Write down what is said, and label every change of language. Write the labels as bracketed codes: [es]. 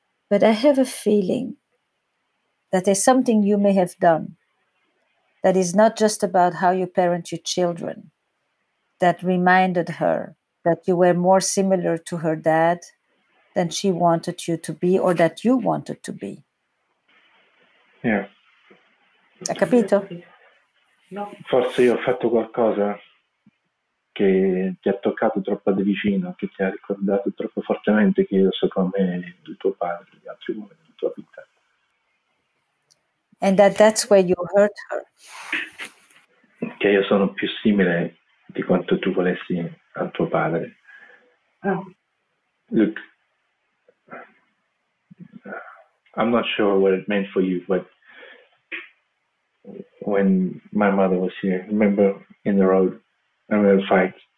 [en] But I have a feeling that there's something you may have done that is not just about how you parent your children, that reminded her that you were more similar to her dad than she wanted you to be or that you wanted to be. Yeah. [it] A capito? No. Forse io ho fatto qualcosa che ti ha toccato troppo da vicino, che ti ha ricordato troppo fortemente che io so come il tuo padre, gli altri uomini della tua vita. [en] And that's where you hurt her. [it] Che io sono più simile di quanto tu volessi al tuo padre. Oh. [en] Look, I'm not sure what it meant for you, but when my mother was here, remember in the road, I remember the fight.